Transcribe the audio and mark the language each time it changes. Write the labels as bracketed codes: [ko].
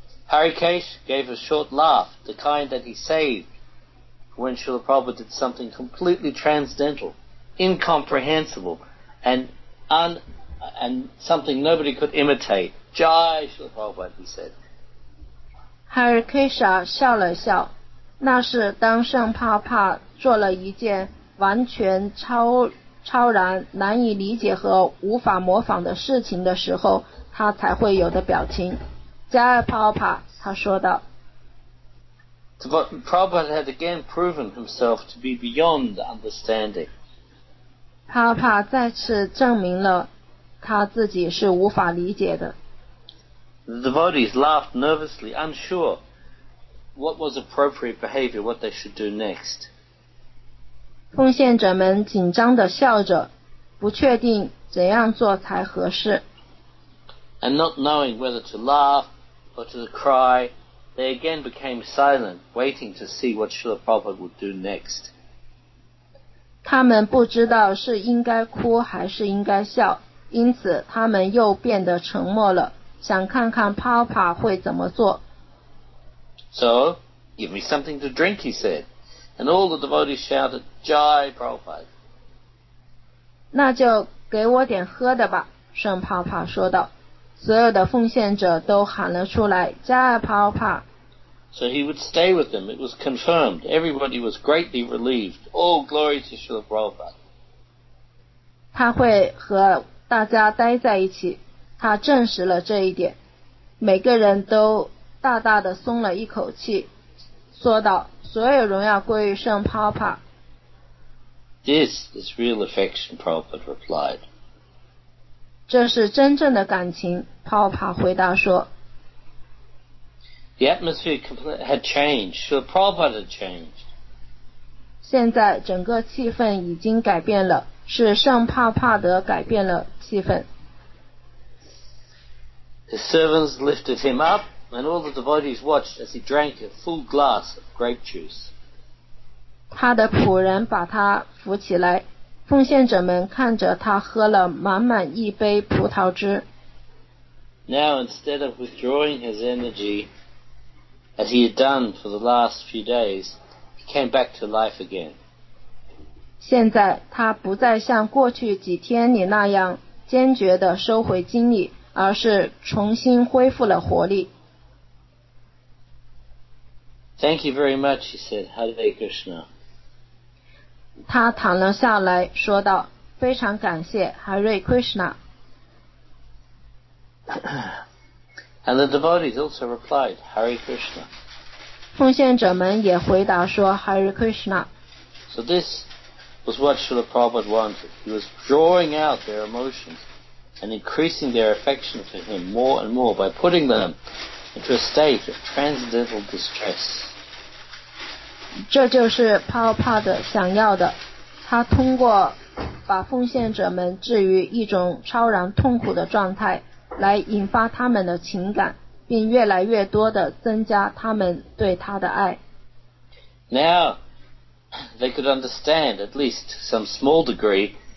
[en] Harikesh gave a short laugh, the kind that he saved when Srila Prabhupada did something completely transcendental, incomprehensible, and something nobody could imitate. Jai Srila Prabhupada, he said. [zh] Harikesha 笑了笑，那是当圣帕帕做了一件完全超然难以理解和无法模仿的事情的时候，他才会有的表情。加尔帕帕，他说道。 [en] Prabhupada had again proven himself to be beyond understanding. [zh] 帕帕再次证明了他自己是无法理解的。 [en] The devotees laughed nervously, unsure what was appropriate behavior, what they should do next. [zh] 奉献者们紧张地笑着，不确定怎样做才合适。 [en] And not knowing whether to laugh or to cry, they again became silent, waiting to see what Srila Prabhupada would do next. [zh] 他们不知道是应该哭还是应该笑，因此他们又变得沉默了。想看看帕帕会怎么做。 [en] So, give me something to drink, he said. And all the devotees shouted, Jai Prabhupada. [zh] 那就给我点喝的吧，圣帕帕说道。所有的奉献者都喊了出来，Jai Prabhupada。 [en] So he would stay with them. It was confirmed. Everybody was greatly relieved. All glory to Srila Prabhupada. [zh] 他会和大家待在一起。他证实了这一点。每个人都大大的松了一口气，说道，所有荣耀归于圣帕帕。 [en] This is real affection, Prabhupada replied. [zh] 这是真正的感情，帕帕回答说。 [en] The atmosphere had changed, so Prabhupada had changed. [zh] 现在整个气氛已经改变了，是圣帕帕德改变了气氛。 [en] His servants lifted him up, and all the devotees watched as he drank a full glass of grape juice. [zh] 他的仆人把他扶起来，奉献者们看着他喝了满满一杯葡萄汁。 [en] Now, instead of withdrawing his energy, as he had done for the last few days, he came back to life again. [zh] 现在他不再像过去几天里那样坚决地收回精力，而是重新恢复了活力。 [en] Thank you very much, he said, Hare Krishna. [zh] 他躺了下来说道，非常感谢 Hare Krishna. [en] And the devotees also replied, Hare Krishna. [zh] 奉献者们也回答说 Hare Krishna. [en] So this was what Srila Prabhupada wanted. He was drawing out their emotions. And increasing their affection for him more and more by putting them into a state of transcendental distress. [zh] 这就是帕帕的想要的，他通过把奉献者们置于一种超然痛苦的状态，来引发他们的情感，并越来越多地增加他们对他的爱。 [en] Now, they could understand at least some small degree.